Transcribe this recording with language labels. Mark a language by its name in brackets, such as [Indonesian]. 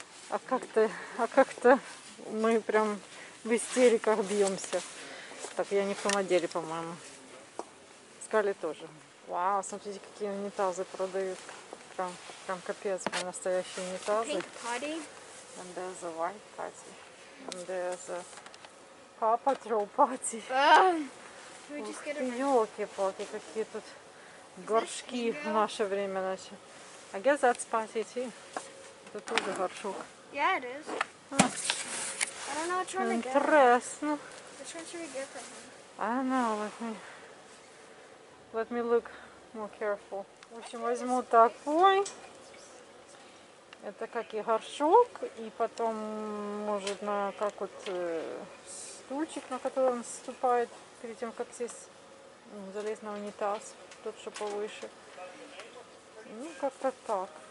[Russian] А как-то мы прям в истериках бьемся. Так, я не в том отделе, по-моему. Скали тоже. Вау, смотрите, какие унитазы продают. Прям капец, прям настоящие унитазы. [English] And there's a white party. And there's a Paw Patrol party. [Russian] Ёлки-палки, какие тут горшки в наше время начали. [English] I guess that's party too. [Russian] Это тоже горшок. [English] Yeah, it is. I don't know which one to get. [Russian] Интересно. [English] Which one should we get for him? I don't know. Let me look more careful. [Russian] В общем, возьму такой. Это как и горшок, и потом, может, на как вот стульчик, на который он ступает перед тем, как сесть, залезть на унитаз, тот, что повыше. Ну, как-то так.